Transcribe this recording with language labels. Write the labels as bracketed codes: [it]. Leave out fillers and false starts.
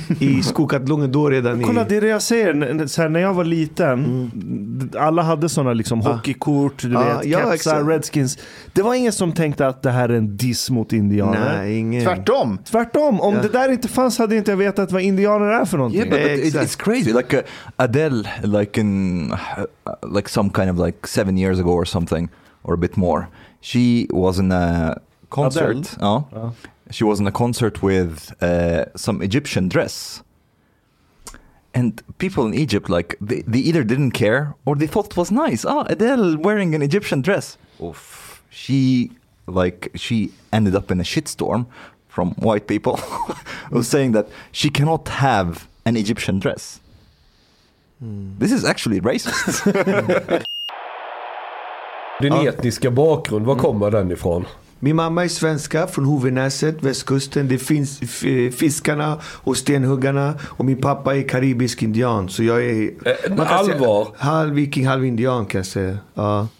[sv] I skolkatalogen då redan. Kolla, det är det jag säger. Så här, när jag var liten, alla hade sådana liksom hockeykort, du vet, kepsar, Redskins. Det var ingen som tänkte att det här är en diss mot indianer. Nej, ingen. Tvärtom. Om det där inte fanns hade inte jag vetat vad indianer är för någonting. [en] Yeah, it's crazy. Like Adele, like some kind of like 7 years ago or something, or a bit more. She was in a concert. She was in a concert with some Egyptian dress. And people in Egypt, like they either didn't care or they thought it was nice. Oh, Adele wearing an Egyptian dress. Oof. She ended up in a shitstorm from white people who's saying that she cannot have an Egyptian dress. This is actually racist. [sv] Din etniska bakgrund, var kommer den ifrån? Min mamma är svenska från Hovenäset, västkusten. Det finns fiskarna och stenhuggarna. Och min pappa är karibisk indian. Så jag är halv viking, halv indian kan jag säga.